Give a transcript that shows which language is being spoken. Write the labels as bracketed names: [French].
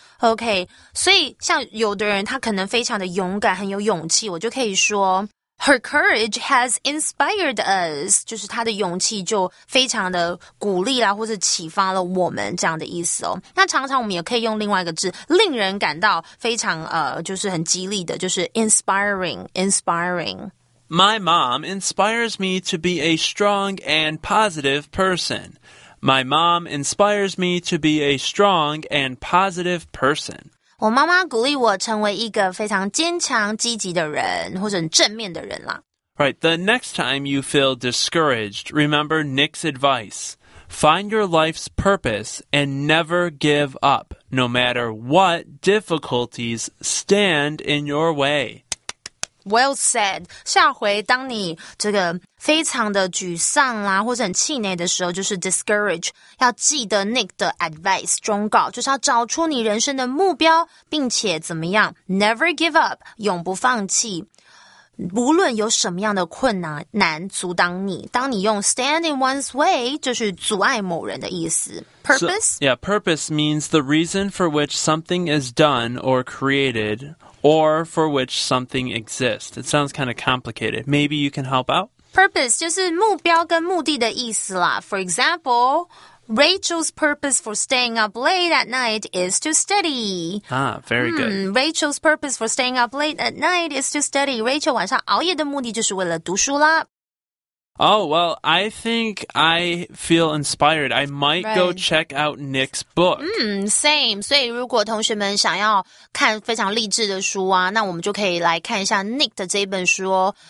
[Chinese] OK, 所以像有的人他可能非常的勇敢很有勇气我就可以说 [English] Her courage has inspired us, [Chinese] 就是他的勇气就非常的鼓励啦或是启发了我们这样的意思哦。那常常我们也可以用另外一个字令人感到非常就是很激励的就是 inspiring. [English] My mom inspires me to be a strong and positive person. My mom inspires me to be a strong and positive person. [Chinese] 我妈妈鼓励我成为一个非常坚强、积极的人，或者很正面的人啦。 [English] Right, the next time you feel discouraged, remember Nick's advice. Find your life's purpose and never give up, no matter what difficulties stand in your way. Well said. [Chinese] 下回当你这个非常的沮丧啦或者很气馁的时候就是 discourage, 要记得 Nick 的 advice, 忠告就是要找出你人生的目标并且怎么样 [English] never give up, [Chinese] 永不放弃。无论有什么样的困难难阻挡你当你用 [English] stand in one's way, [Chinese] 就是阻碍某人的意思。 [English] Purpose? So, yeah, purpose means the reason for which something is done or created,Or for which something exists. It sounds kind of complicated. Maybe you can help out? [Chinese] Purpose 就是目标跟目的的意思啦。 [English] For example, Rachel's purpose for staying up late at night is to study. Ah, very good. Rachel's purpose for staying up late at night is to study. Rachel [Chinese] 晚上熬夜的目的就是为了读书啦。 [English] Oh, well, I think I feel inspired. I might go check out Nick's book. Same. [Chinese] 所以如果同学们想要看非常励志的书啊，那我们就可以来看一下 Nick 的这一本书哦。